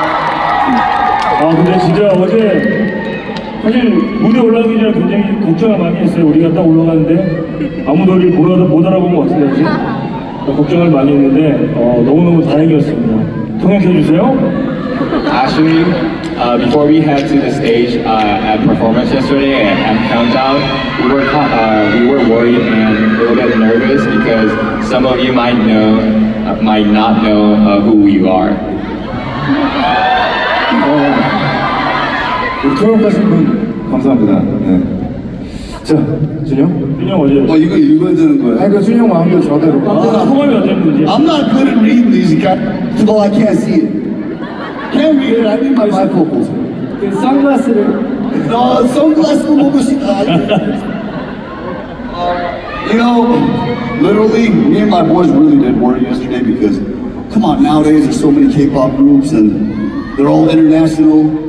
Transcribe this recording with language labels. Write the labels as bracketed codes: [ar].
[ko] 아 근데 진짜 어제 사실 무대 올라가기 전에 굉장히 걱정을 많이 했어요. 우리가 딱 올라가는데 아무도 우리 못 알아보면 어떡하지? 걱정을 많이 했는데 너무너무 다행이었습니다. 통역해 주세요. [en] Actually, before we head to the stage at performance yesterday at Countdown, we were worried and a little bit nervous because some of you might not know who you are. [ko] 우리 토론하신 분 감사합니다. 네. 자, 준영? 준영 어디에 있어? 이거 읽어야 되는 거예요? 아니, 준영 마음대로 저대로. 아, 통화하면 안 되는 거지. [en] I'm not good at reading these guys. Oh, I can't see it. Can't read it. I need my bifocals. [ko] 그 선글라스를. No, sunglasses 보고 싶다. [en] You know, literally, me and my boys really did worry yesterday because, come on, nowadays there's so many K-pop groups and they're all international.